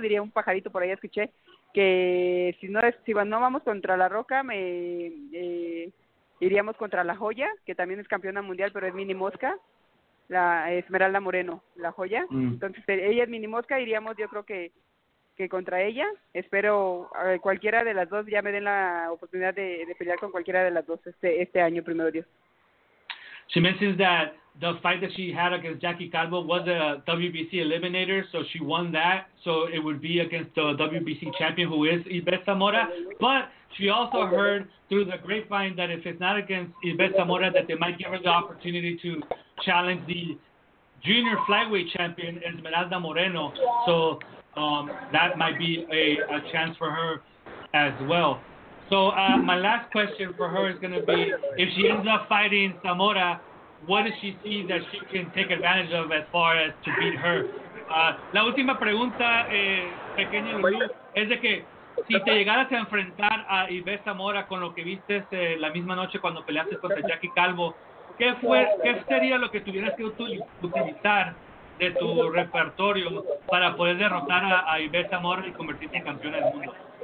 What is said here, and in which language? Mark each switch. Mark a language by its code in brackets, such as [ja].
[es] Diría un pajarito por ahí, escuché que si no vamos contra La Roca, iríamos contra La Joya, que también es campeona mundial, pero es mini mosca, la Esmeralda Moreno, La Joya. Entonces ella es mini mosca, iríamos yo creo que contra ella. Espero cualquiera de las dos ya me den la oportunidad de pelear con cualquiera de las dos este año, primero Dios. [en] She mentions that the fight that she had against Jackie Calvo was a WBC eliminator, so she won that. So it would be against the WBC champion, who is Ivette Zamora. But she also heard through the grapevine that if it's not against Ivette Zamora, that they might give her the opportunity to challenge the junior flyweight champion, Esmeralda Moreno. So that might be a chance for her as well. So my last question for her is going to be, if she ends up fighting Zamora, what does she see that she can take advantage of as far as to beat her? [es] La última pregunta, pequeño Lulú, es de que si te llegaras a enfrentar a Ivette Zamora con lo que viste la misma noche cuando peleaste contra Jackie Calvo, ¿qué sería lo que tuvieras que utilizar de tu repertorio para poder derrotar a Ivette Zamora y convertirte en campeona del mundo?